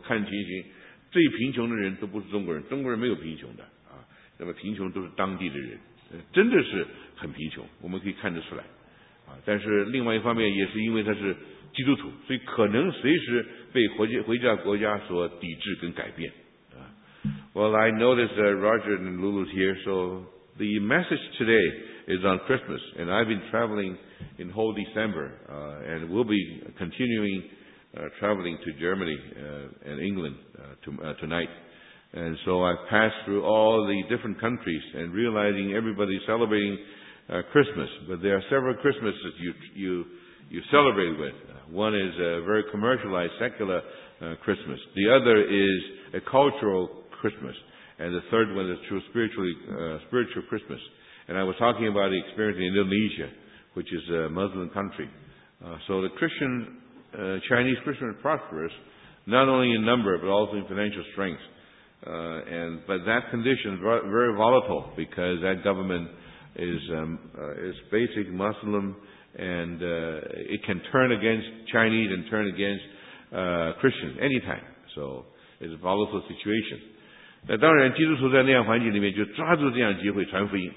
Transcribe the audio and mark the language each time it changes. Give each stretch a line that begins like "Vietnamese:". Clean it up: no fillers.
Chinese: 我看情形最贫穷的人都不是中国人，中国人没有贫穷的啊，那么贫穷都是当地的人，真的是很贫穷，我们可以看得出来啊。但是另外一方面也是因为他是基督徒，所以可能随时被回教国家所抵制跟改变啊。
English: Well, I noticed that Roger and Lulu here, so the message today is on Christmas, and I've been traveling in whole December, and will be continuing traveling to Germany and England tonight. And so I passed through all the different countries and realizing everybody's celebrating Christmas. But there are several Christmases you celebrate with. One is a very commercialized, secular Christmas. The other is a cultural Christmas. And the third one is true spiritual Christmas. And I was talking about the experience in Indonesia, which is a Muslim country. So the Chinese Christians are prosperous, not only in number, but also in financial strength. But that condition is very volatile because that government is basic Muslim, and it can turn against Chinese and turn against Christians anytime. So it's a volatile situation.
Chinese: 那当然，基督徒在那样环境里面就抓住这样机会传福音。